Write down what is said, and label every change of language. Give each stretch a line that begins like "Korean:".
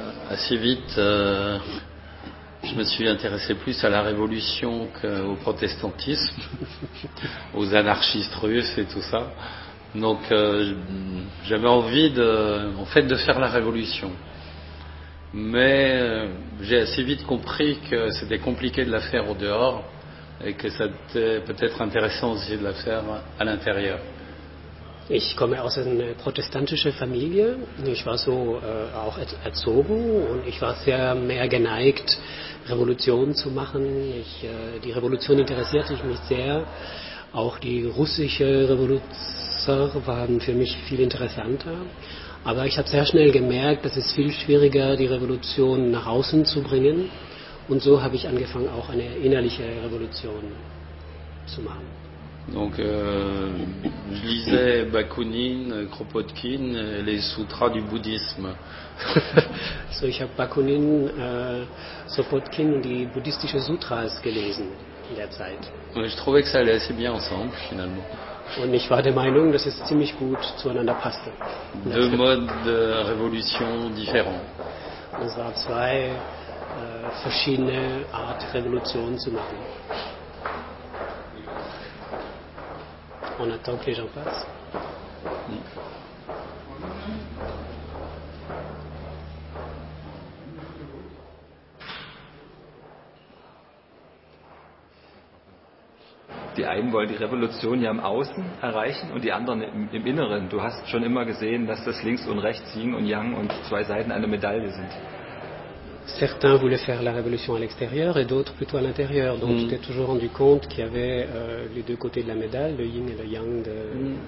French: Assez vite, je me suis intéressé plus à la révolution qu'au protestantisme, aux anarchistes russes et tout ça. Donc j'avais envie de faire la révolution. Mais j'ai assez vite compris que c'était compliqué de la faire au dehors et que c'était peut-être intéressant aussi de la faire à l'intérieur.
German: Ich komme aus einer protestantischen Familie. Ich war so auch erzogen und ich war sehr mehr geneigt, Revolution zu machen. Die Revolution interessierte mich sehr. Auch die russische Revolution waren für mich viel interessanter. Aber ich habe sehr schnell gemerkt, dass es viel schwieriger ist, die Revolution nach außen zu bringen. Und so habe ich angefangen, auch eine innerliche Revolution zu machen.
French: Donc, je lisais Bakounine, Kropotkin et les Sutras du Bouddhisme.
German: So, ich habe Bakounine, Kropotkin und die bouddhistischen Sutras gelesen in der Zeit. Und
French: je trouvais que ça allait assez bien ensemble, finalement.
German: Und ich war der Meinung, dass es ziemlich gut zueinander passte.
French: Deux modes de révolution différents.
German: Es waren zwei verschiedene Art Revolution zu machen.
French: On attend que les gens passent.
German: Die einen wollen die Revolution ja im Außen erreichen und die anderen im Inneren. Du hast schon immer gesehen, dass das links und rechts Yin und Yang und zwei Seiten einer Medaille sind.
French: Certains voulaient faire la révolution à l'extérieur et d'autres plutôt à l'intérieur. Donc mm. j'étais toujours rendu compte qu'il y avait les deux côtés de la médaille, le yin et le yang de, mm.